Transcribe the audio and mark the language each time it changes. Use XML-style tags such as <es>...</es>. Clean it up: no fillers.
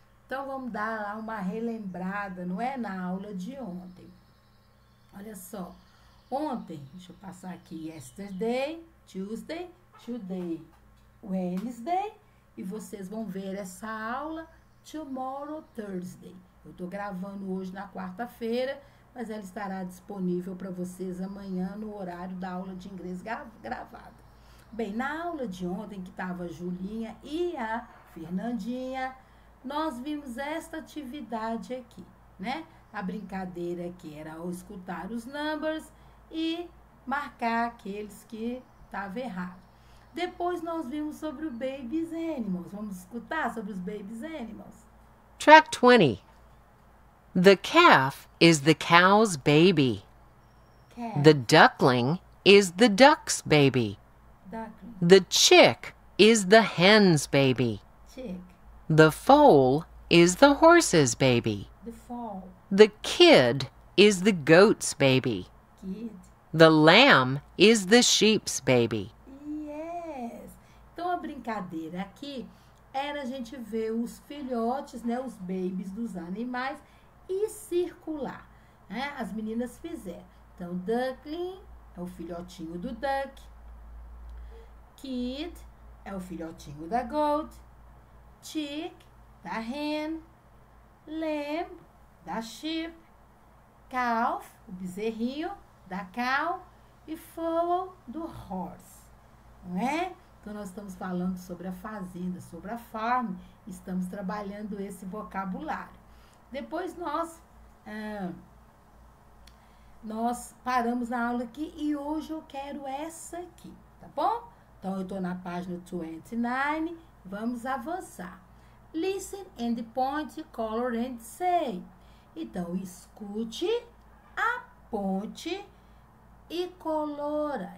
<pt>Então vamos dar lá uma relembrada, não é? Na aula de ontem. Olha só. Ontem, deixa eu passar aqui.</pt> <en>Yesterday, Tuesday, today, Wednesday.</en> <pt>E vocês vão ver essa aula</pt> <en>tomorrow, Thursday.</en> <pt>Eu estou gravando hoje na quarta-feira, mas ela estará disponível para vocês amanhã no horário da aula de inglês gravada. Bem, na aula de ontem, que estava a Julinha e a Fernandinha, nós vimos esta atividade aqui, né? A brincadeira que era o escutar os numbers e marcar aqueles que estavam errados. Depois nós vimos sobre o Babies Animals. Vamos escutar sobre os Babies Animals.</pt> <en>Track 20. The calf is the cow's baby. The Calf. duckling is the duck's baby. Duckling. The chick is the hen's baby. Chick. The foal is the horse's baby. The foal. The kid is the goat's baby. Kid. The lamb is the sheep's baby. Yes.</en> <pt>Então, a brincadeira aqui era a gente ver os filhotes, né, os babies dos animais, e circular. Né? As meninas fizeram. Então, duckling é o filhotinho do duck. Kid é o filhotinho da goat. Chick, da hen. Lamb, da sheep. Calf, o bezerrinho, da cow. E foal, do horse. Não é? Então, nós estamos falando sobre a fazenda, sobre a farm. Estamos trabalhando esse vocabulário. Depois, nós paramos na aula aqui e hoje eu quero essa aqui, tá bom? Então, eu estou na página 29, vamos avançar.</pt> <en>Listen and point, color and say.</en> <pt>Então, escute, aponte e colora.</pt>